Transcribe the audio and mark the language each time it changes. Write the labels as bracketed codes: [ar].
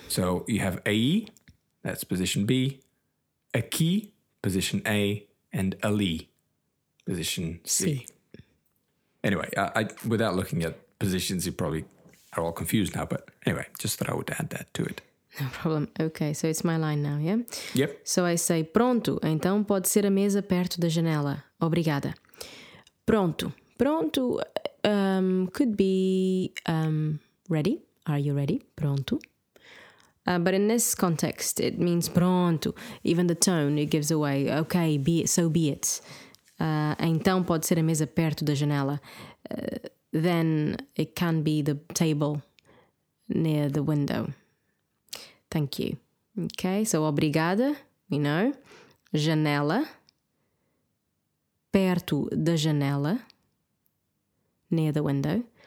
[en] So you have aí, that's position B, aqui, position A, and ali, position C. Anyway, I without looking at positions, you probably are all confused now. But anyway, just thought I would add that to it. No problem. Okay, so it's my line now, yeah? Yep. So I say, [pt] pronto, então pode ser a mesa perto da janela. Obrigada. [en] Pronto. Pronto could be ready. Are you ready? Pronto. But in this context, it means pronto. Even the tone, it gives away, okay, be it, so be it. [pt] Então pode ser a mesa perto da janela. [en] Then it can be the table near the window. Thank you. Okay, so obrigada, you know. Janela. [pt] Perto da janela. [en] Near the window.